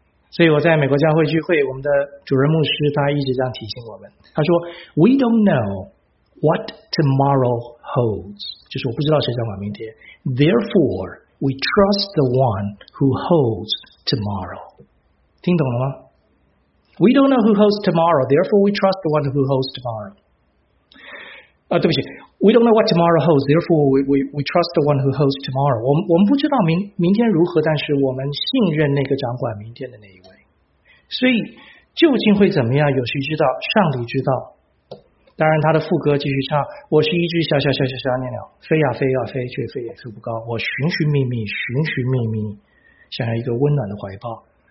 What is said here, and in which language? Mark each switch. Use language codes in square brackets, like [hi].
[zh] 所以我在美国教会聚会，我们的主任牧师他一直这样提醒我们，他说 [en] We don't know what tomorrow holds， [zh] 就是我不知道谁掌管明天， [en] Therefore we trust the one who holds tomorrow。 [zh] 听懂了吗？ [en] We don't know who holds tomorrow, therefore we trust the one who holds tomorrow. [zh] 对不起， [en] We don't know what tomorrow holds, therefore we trust the one who holds tomorrow. [zh] 我们不知道 明天如何，但是我们信任那个掌管明天的那一位。所以究竟会怎么样，有谁知道？上帝知道。当然他的副歌继续唱，我是一只小小小小小小鸟，飞呀飞呀飞，却飞也飞不高，我寻寻觅觅，寻寻觅觅，想要一个温暖的怀抱。